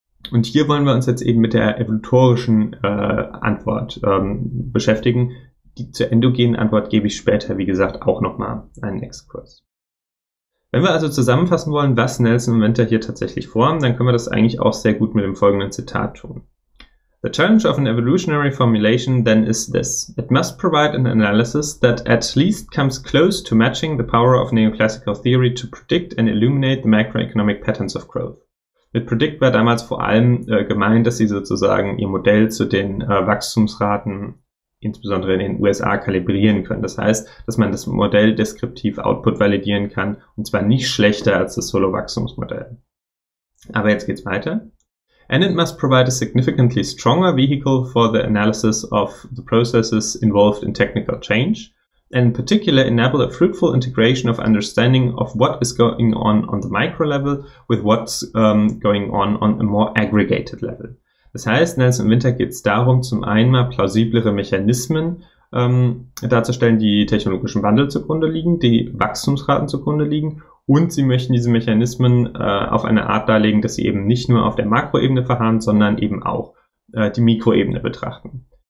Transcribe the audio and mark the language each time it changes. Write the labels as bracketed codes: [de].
[de] Und hier wollen wir uns jetzt eben mit der evolutorischen Antwort beschäftigen. Die zur endogenen Antwort gebe ich später, wie gesagt, auch nochmal einen Exkurs. Wenn wir also zusammenfassen wollen, was Nelson und Winter hier tatsächlich vorhaben, dann können wir das eigentlich auch sehr gut mit dem folgenden Zitat tun. [en] The challenge of an evolutionary formulation then is this. It must provide an analysis that at least comes close to matching the power of neoclassical theory to predict and illuminate the macroeconomic patterns of growth. [de] Mit predict war damals vor allem gemeint, dass sie sozusagen ihr Modell zu den Wachstumsraten insbesondere in den USA kalibrieren können. Das heißt, dass man das Modell deskriptiv Output validieren kann, und zwar nicht schlechter als das Solo-Wachstumsmodell. Aber jetzt geht's weiter. [en] And it must provide a significantly stronger vehicle for the analysis of the processes involved in technical change, and in particular enable a fruitful integration of understanding of what is going on the micro level with what's going on a more aggregated level. [de] Das heißt, Nelson und Winter geht es darum, zum einen mal plausiblere Mechanismen darzustellen, die technologischen Wandel zugrunde liegen, die Wachstumsraten zugrunde liegen, und sie möchten diese Mechanismen auf eine Art darlegen, dass sie eben nicht nur auf der Makroebene verharren, sondern eben auch die Mikroebene betrachten.